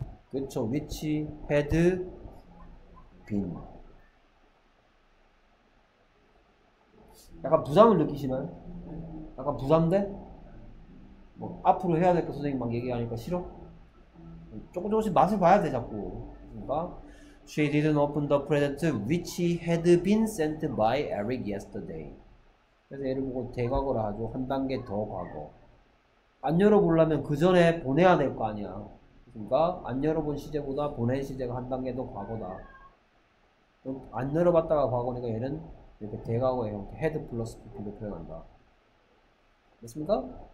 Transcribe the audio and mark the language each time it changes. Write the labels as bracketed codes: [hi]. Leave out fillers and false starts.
[ko] 그렇죠. 위치, had, been. 약간 부담을 느끼시나요? 약간 부담돼? 뭐 앞으로 해야 될 거 선생님 막 얘기하니까 싫어? 조금 조금씩 맛을 봐야 돼 자꾸. 그러니까 [en] She didn't open the present which had been sent by Eric yesterday. [ko] 그래서 얘를 보고 대과거라 하죠. 한 단계 더 과거. 안 열어보려면 그 전에 보내야 될 거 아니야. 그러니까 안 열어본 시제보다 보낸 시제가 한 단계 더 과거다. 안 열어봤다가 과거니까 얘는 이렇게 대과거의 형태 head plus PP로 표현한다. 됐습니까?